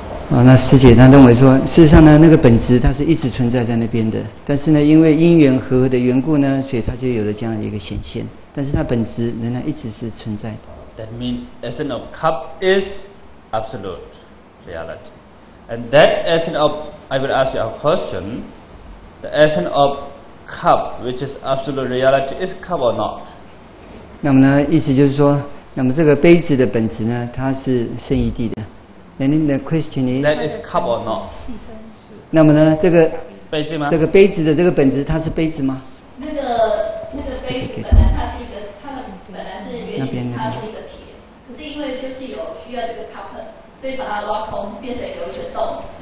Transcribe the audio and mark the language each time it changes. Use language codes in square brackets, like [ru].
[zh] 啊、那师姐她认为说，事实上呢，那个本质它是一直存在在那边的，但是呢，因为因缘和合的缘故呢，所以它就有了这样一个显现，但是它本质仍然一直是存在的。 [en] That means essence of cup is absolute reality, and that essence of I will ask you a question: the essence of cup, which is absolute reality, is cup or not? [zh] 那么呢，意思就是说，那么这个杯子的本质呢，它是生一地的。 [en] And then the question is, that is cup or not? [zh] 那么呢，这个杯子吗？这个杯子的这个本质，它是杯子吗？那个杯子本来它是一个，它本来是圆形，它是一个铁，可是因为就是有需要这个 cup， 所以把它挖空，变成有一个洞，所以它就是一个杯子。